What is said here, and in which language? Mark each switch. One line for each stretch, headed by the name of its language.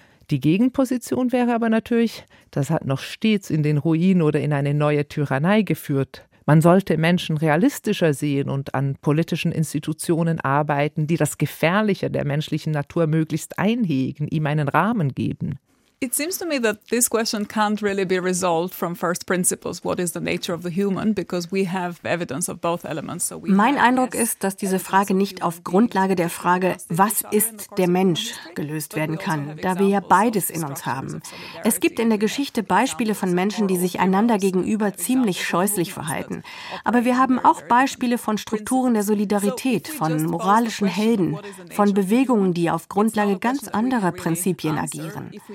German: Die Gegenposition wäre aber natürlich, das hat noch stets in den Ruin oder in eine neue Tyrannei geführt. Man sollte Menschen realistischer sehen und an politischen Institutionen arbeiten, die das Gefährliche der menschlichen Natur möglichst einhegen, ihm einen Rahmen geben.
English: It seems to me that this question can't really be resolved from first principles. What is the nature of the human? Because we have evidence of both elements. So
German: mein Eindruck ist, dass diese Frage nicht auf Grundlage der Frage, was ist der Mensch, gelöst werden kann, da wir ja beides in uns haben. Es gibt in der Geschichte Beispiele von Menschen, die sich einander gegenüber ziemlich scheußlich verhalten. Aber wir haben auch Beispiele von Strukturen der Solidarität, von moralischen Helden, von Bewegungen, die auf Grundlage ganz anderer Prinzipien agieren.